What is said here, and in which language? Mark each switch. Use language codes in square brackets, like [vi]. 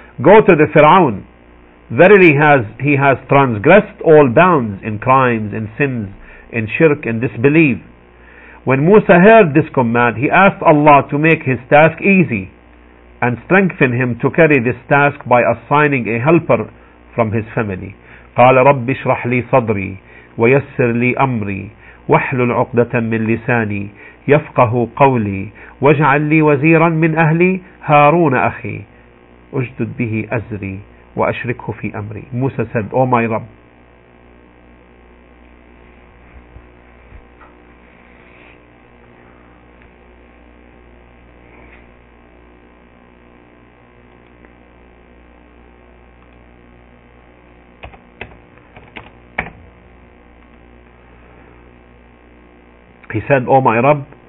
[en] Go to the Fir'aun. Verily he has transgressed all bounds in crimes, in sins, in shirk, in disbelief. When Musa heard this command, he asked Allah to make his task easy and strengthen him to carry this task by assigning a helper from his family. [ar] قال رب اشرح لي صدري ويسر لي امري واحلل عقدة من لساني يفقه قولي واجعل لي وزيرا من اهلي هارون اخي اجدد به ازري واشركه في امري. [en] موسى said, Oh my Rabb, he said, O my Rabb,